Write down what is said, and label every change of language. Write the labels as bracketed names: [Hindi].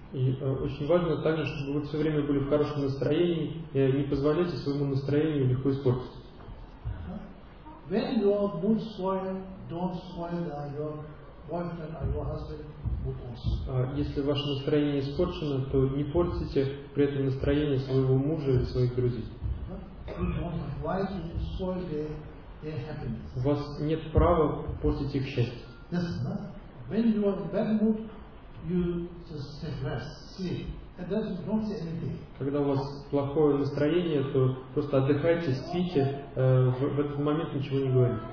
[Russian] И очень важно также, чтобы вы все время были в хорошем настроении и не позволяйте своему настроению легко испортиться. [English] When your mood spoils, don't spoil your boyfriend or your husband mood also. [Russian] Если ваше настроение испорчено, то не портите при этом настроение своего мужа или своих друзей. [English] You don't have right to spoil their happiness. [Russian] У вас нет права портить их счастье. [English] Yes, right? When you are in bad mood, you just take rest, sleep. And that you don't say anything. [Russian] Когда у вас плохое настроение, то просто отдыхайте, спите, в этот момент ничего не говорите.